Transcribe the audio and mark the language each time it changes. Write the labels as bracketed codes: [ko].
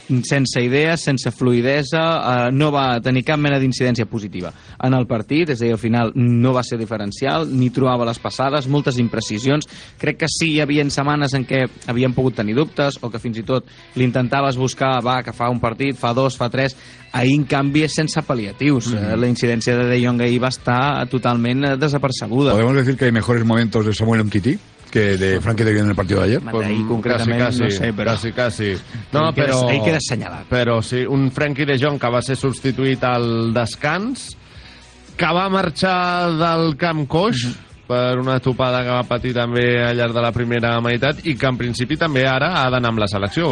[ca] Sense idees, sense fluïdesa, no va tenir cap mena d'incidència positiva en el partit, és a dir, al final no va ser diferencial, ni trobava les passades, moltes imprecisions. Crec que sí, hi havia setmanes en què havien pogut tenir dubtes, o que fins i tot l'intentaves buscar, va, que fa un partit, fa dos, fa tres. Ahir, en canvi, és sense paliatius. Mm-hmm. La incidència de De Jong ahir va estar totalment desapercebuda. [es] ¿Podemos decir que hay mejores momentos de Samuel Umtiti que de Frenkie de Jong en el partido de ayer? [ca] Pues, ahir, concretament, [es] casi, [ca] no sé, però... [es] Casi, casi. No, però... [ca] Ahir queda assenyalat. Però sí, un Frenkie de Jong que va ser substituït al descans, que va marxar del camp coix... Mm-hmm. Per una topada que va patir també al llarg de la primera meitat i que en principi també ara ha d'anar amb la selecció.